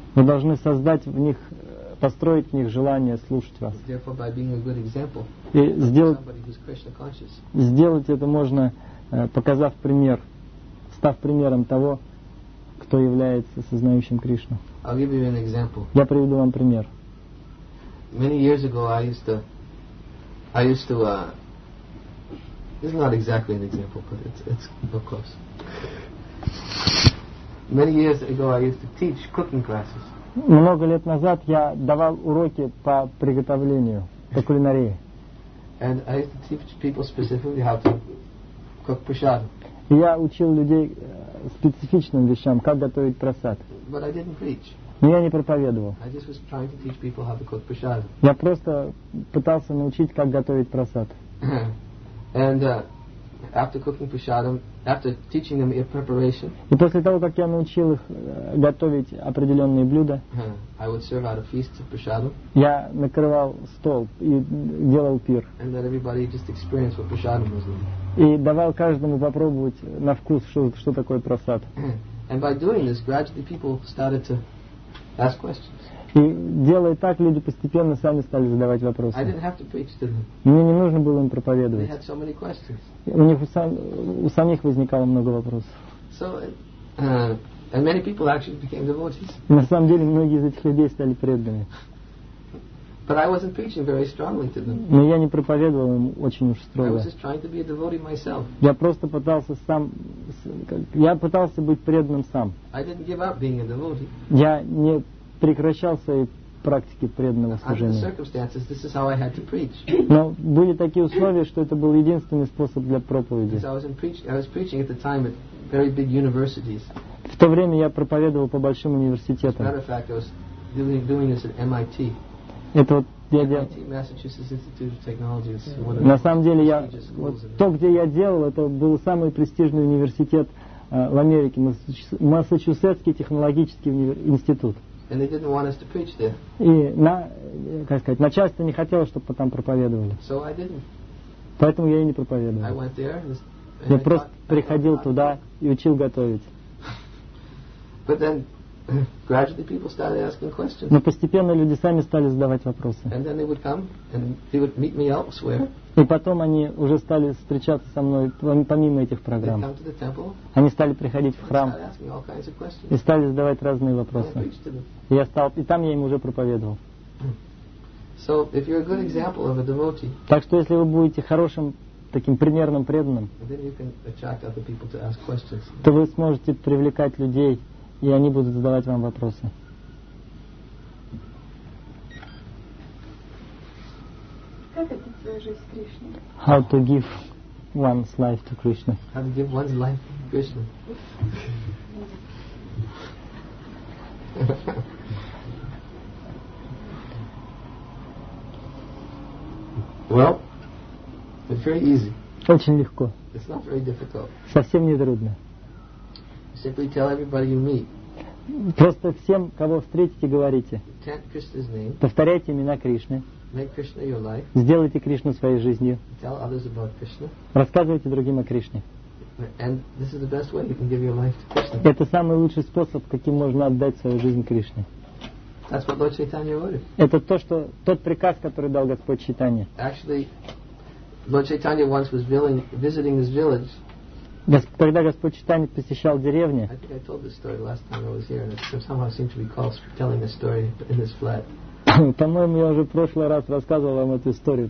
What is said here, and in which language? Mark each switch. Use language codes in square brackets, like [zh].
[ru] Вы должны создать в них, построить в них желание слушать вас. [en] Therefore, by being a good example, [ru] и сделать это можно, показав пример, став примером того, кто является сознающим Кришну. [en] I'll give you an example. [ru] Я приведу вам пример. [en] Many years ago, I used to it's not exactly an example, but it's close. Many years ago, I used to teach cooking classes. [ru] Много лет назад я давал уроки по приготовлению, по кулинарии. [en] And I used to teach people specifically how to cook prasad. [ru] Я учил людей специфичным вещам, как готовить прасад. [en] But I didn't preach. [ru] Но я не проповедовал. [en] I just was trying to teach people how to cook prasad. [ru] Я просто пытался научить, как готовить прасад. [en] And after cooking prasadam, after teaching them your preparation, [ru] и после того, как я научил их готовить определенные блюда, [en] I would serve out a feast of prasadam. [ru] Я накрывал стол и делал пир. [en] And let everybody just experience what prasadam was like. [ru] И давал каждому попробовать на вкус, что такое прасад. [en] And by doing this, gradually people started to ask questions. [ru] И делая так, люди постепенно сами стали задавать вопросы. [en] I didn't have to preach to them. [ru] Мне не нужно было им проповедовать. [en] They had so many questions. [ru] У них у самих возникало много вопросов. [en] So, and many people actually became devotees. [ru] И на самом деле многие из этих людей стали преданными. [en] But I wasn't preaching very strongly to them. [ru] Но я не проповедовал им очень уж строго. [en] I was just trying to be a devotee myself. [ru] Я просто пытался сам, я пытался быть преданным сам. [en] I didn't give up being a devotee. [ru] Я не прекращал свои практики преданного служения. [en] Under the circumstances, this is how I had to preach. [ru] Но были такие условия, что это был единственный способ для проповеди. [en] I was preaching at the time at very big universities. [ru] В то время я проповедовал по большим университетам. [en] As a matter of fact, I was doing this at MIT. [ru] Это вот я делал. [en] MIT, Massachusetts Institute of Technology, is one of. [ru] На самом деле я то, где я делал, это был самый престижный университет в Америке, Массачусетский технологический институт. [en] And they didn't want us to preach there. [ru] И на, как сказать, начальство не хотело, чтобы там проповедовали. [en] So I didn't. [ru] Поэтому я и не проповедовал. [en] I went there. And [ru] я просто приходил туда и учил готовить. [en] But then gradually people started asking questions. [ru] Но постепенно люди сами стали задавать вопросы. [en] And then they would come and they would meet me elsewhere. [ru] И потом они уже стали встречаться со мной помимо этих программ. [en] They come to the temple. [ru] Они стали приходить в храм и стали задавать разные вопросы. И я стал, и там я им уже проповедовал. [en] So if you're a good example of a devotee, [ru] так что если вы будете хорошим таким примерным преданным, [en] then you can attract other people to ask questions. [ru] То вы сможете привлекать людей и они будут задавать вам вопросы. Как отдать свою жизнь Кришне? [en] How to give one's life to Krishna. How to give one's life to Krishna. Well, it's very easy. [ru] Очень легко. [en] It's not very difficult. [ru] Совсем не трудно. [en] Simply tell everybody you meet. [ru] Просто всем, кого встретите, говорите. [en] Chant Krishna's name. [ru] Повторяйте имена Кришны. [en] Make Krishna your life. [ru] Сделайте Кришну своей жизнью. [en] Tell others about Krishna. [ru] Рассказывайте другим о Кришне. [en] And this is the best way you can give your life to Krishna. [ru] Это самый лучший способ, каким можно отдать свою жизнь Кришне. [en] That's what Lord Chaitanya wrote. [ru] Это то, что тот приказ, который дал Господь Чайтанья. [en] Actually, Lord Chaitanya once was visiting his village. [ru] Когда Господь Чайтанья посещал деревни, по-моему, я уже в прошлый раз рассказывал вам эту историю.